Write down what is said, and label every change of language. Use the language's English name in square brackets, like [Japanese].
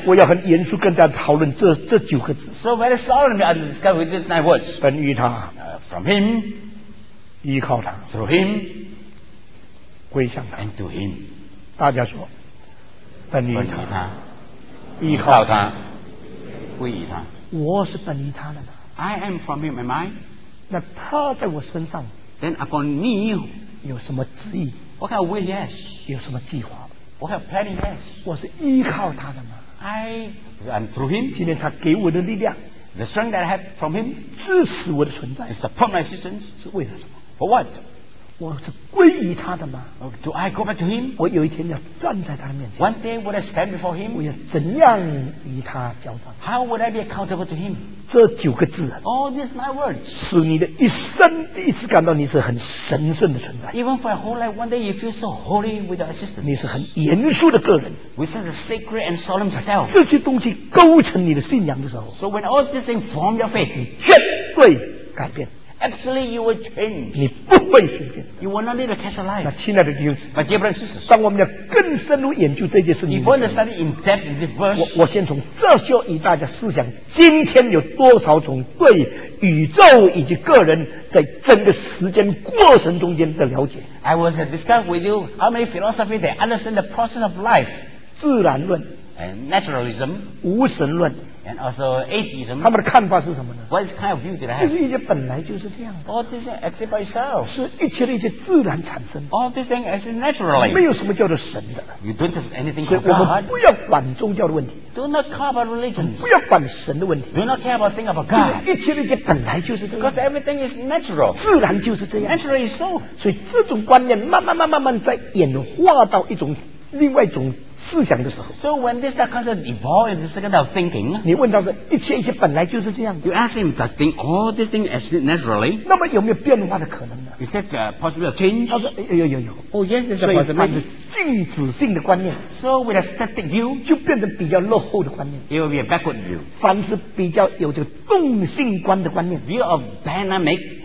[Chinese] 我要很严肃跟大家讨论这九个字。 [English] So very solemnly and discuss with these nine words. [Chinese] 本于他 [English] from him, [Chinese] 依靠他 [English] through him, [Chinese] 归向他 [English] and to him. [Chinese] 大家说，本于他，依靠他，归于他。我是本于他的吗 [English] ？I am from him, am I? [Chinese] 那他在我身上。 [English] Then upon me, [Chinese] 有什么旨意 [English] ？What kind of will yes? [Chinese] 有什么计划 [English] ？What kind of planning yes? [Chinese] 我是依靠他的吗 [English] ？I am through him. [Chinese] 今天他给我的力量 [English] ，the strength that I have from him， [Chinese] 支持我的存在 [English] ，support my existence， [Chinese] 是为了什么 [English] ？For what？ [Chinese] 我是归于他的吗 [English] ？Do I go back to him？ [Chinese] 我有一天要站在他的面前 [English] ，One day would I stand before him？ [Chinese] 我要怎样与他交谈 [English] ？How would I be accountable to him？ [Chinese] 这九个字 [English] All these nine words, [Chinese] 使你的一生第一次感到你是很神圣的存在 [English] Even for a whole life one day you feel so holy with your assistance [Chinese] 你是很严肃的个人 [English] With such a sacred and solemn self [Chinese] 这些东西构成你的信仰的时候 [English] So when all these things form your faith [Chinese] 你绝对改变 [English] Absolutely you will change [Chinese] 你不会随便 [English] You will not need to catch a life [Chinese] 那亲爱的弟兄姊妹 [English] My dear brothers and sisters [Chinese] 当我们要更深入研究这件事情 [English] If you want to study in depth in this verse [Chinese] 我先从这就与大家思想今天有多少种对宇宙以及个人在整个时间过程中间的了解 [English] I was discussing with you how many philosophies they understand the process of life [Chinese] 自然论 [English] and naturalism [Chinese] 无神论 [English] And also atheism. [Chinese] 他们的看法是什么呢 [English] ？What is kind of view did I have? [Chinese] 就是一切本来就是这样。 [English] All this exists by itself. [Chinese] 是一切的一切自然产生。 [English] All this thing is naturally. [Chinese] 没有什么叫做神的。 [English] You don't have anything. [Chinese] 所以我们不要管宗教的问题。 [English] Do not care about religion. [Chinese] 不要管神的问题。 [English] Do not care about thing about God. [Chinese] 一切的一切本来就是这样。 [English] Because everything is natural. [Chinese] 自然就是这样。 [English] Naturally so. [Chinese] 所以这种观念慢慢在演化到一种另外一种。思想的时候 [English] ，So when this concept evolves, this kind of thinking， [Chinese] 你问到说一切本来就是这样的。 [English] You ask him, does thing all this thing as naturally？ [Chinese] 那么有没有变化的可能呢 [English] ？Is that possible change？ [Chinese] 他说有。 [English] Oh yes, there's a possibility. [Chinese] 静止性的观念 [English] ，so with a static view， [Chinese] 就变成比较落后的观念 [English] ，it will be a backward view。 [Chinese] 凡是比较有这个动性观的观念 [English] ，view of dynamic，